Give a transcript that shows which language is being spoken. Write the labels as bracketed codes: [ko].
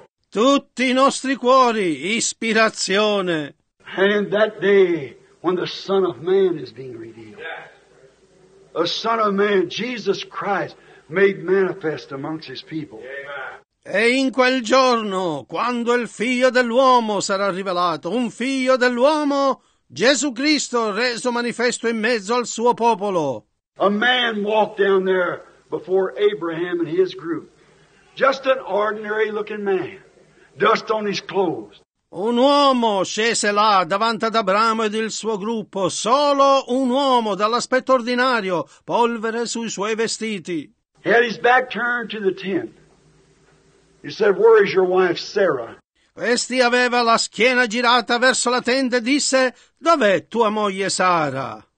[it] Tutti i nostri cuori, ispirazione. [en] And in that day when the Son of Man is being revealed. The Son of Man, Jesus Christ, made manifest amongst his people. [it] E in quel giorno, quando il Figlio dell'uomo sarà rivelato, un Figlio dell'uomo, Gesù Cristo reso manifesto in mezzo al suo popolo. [en] A man walked down there before Abraham and his group. Just an ordinary looking man. Dust on his clothes. [it] Un uomo scese là davanti ad Abramo ed il suo gruppo. Solo un uomo dall'aspetto ordinario. Polvere sui suoi vestiti. [en] He had his back turned to the tent. He said, "Where is your wife Sarah?" [it] Questi aveva la schiena girata verso la tenda e disse, "Dov'è tua moglie Sara?"